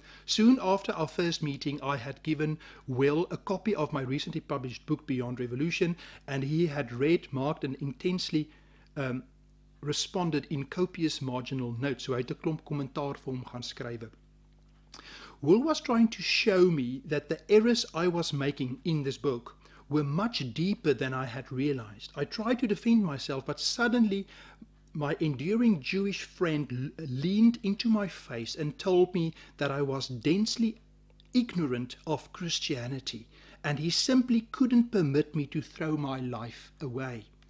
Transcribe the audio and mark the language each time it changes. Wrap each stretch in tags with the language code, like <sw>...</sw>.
<en>Soon after our first meeting, I had given Will a copy of my recently published book, Beyond Revolution, and he had read, marked, and intensely responded in copious marginal notes.</en> <af>So hy het 'n klomp kommentaar vir hom gaan skrywe.</af> <en>Will was trying to show me that the errors I was making in this book were much deeper than I had realized. I tried to defend myself, but suddenly my enduring Jewish friend leaned into my face and told me that I was densely ignorant of Christianity, and he simply couldn't permit me to throw my life away.</en>